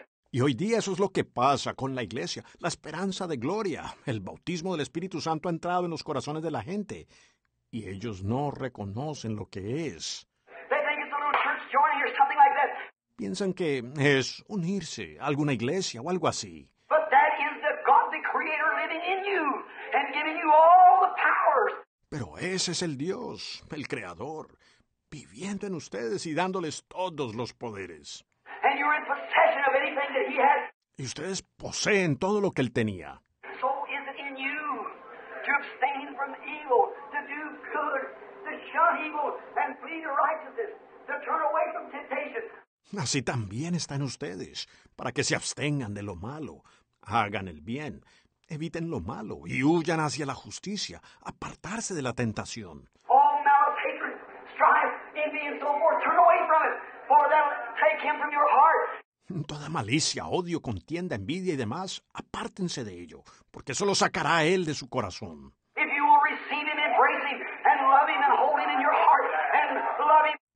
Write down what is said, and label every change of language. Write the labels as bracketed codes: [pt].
[es] Y hoy día eso es lo que pasa con la iglesia, la esperanza de gloria. El bautismo del Espíritu Santo ha entrado en los corazones de la gente y ellos no reconocen lo que es. [en] They think it's a little church joining or something like that. [es] Piensan que es unirse a alguna iglesia o algo así. [en] But that is the God, the creator, living in you and giving you all the powers. [es] Pero ese es el Dios, el creador, viviendo en ustedes y dándoles todos los poderes. [en] And you're in possession of anything that he has. [es] Y ustedes poseen todo lo que él tenía. [en] So is it in you to abstain from evil, to do good, to shun evil, and flee to righteousness, to turn away from temptation. [es] Así también está en ustedes, para que se abstengan de lo malo, hagan el bien, eviten lo malo, y huyan hacia la justicia, apartarse de la tentación. [en] All malice, hatred, strife, envy, and so forth, turn away from it. For they'll take him from your heart. [es] Toda malicia, odio, contienda, envidia y demás, apártense de ello, porque eso lo sacará a él de su corazón. [en] If you will receive him, embrace him, and love him, and hold him in your heart, and love him.